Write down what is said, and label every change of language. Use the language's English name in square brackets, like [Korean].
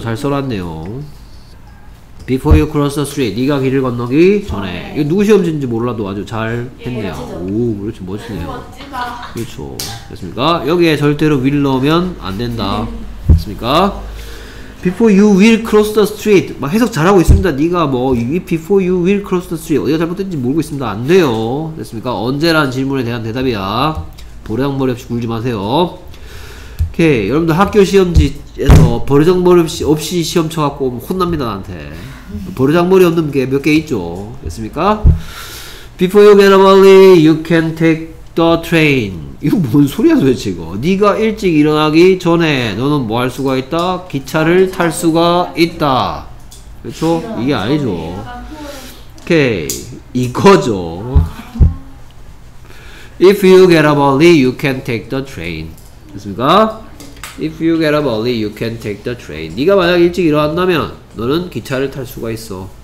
[Korean] 잘 써놨네요. [English] before you cross the street. [Korean] 네가 길을 건너기 전에. 이거 누구 시험지인지 몰라도 아주 잘 했네요. 오, 그렇지. 멋있네요. 그렇죠. 됐습니까? 여기에 절대로 will 넣으면 안 된다. 됐습니까? [English] Before you will cross the street. [Korean] 막 해석 잘하고 있습니다. 네가 뭐 [English] before you will cross the street. [Korean] 어디가 잘못됐는지 모르고 있습니다. 안 돼요. 됐습니까? 언제라는 질문에 대한 대답이야. 보리장머리 없이 굴지 마세요. 오케이. 여러분들 학교 시험지에서 보리장머리 없이 시험 쳐갖고 혼납니다. 나한테. 보리장머리 없는 게 몇 개 있죠. 됐습니까? [English] Before you get up early, you can take the train. [Korean] 이거 뭔 소리야 도대체 이거. 네가 일찍 일어나기 전에 너는 뭐 할 수가 있다? 기차를 탈 수가 있다. 그렇죠? 이게 아니죠. 오케이. 이거죠. [English] If you get up early, you can take the train. [Korean] 됐습니까? [English] If you get up early, you can take the train. [Korean] 네가 만약 일찍 일어난다면 너는 기차를 탈 수가 있어.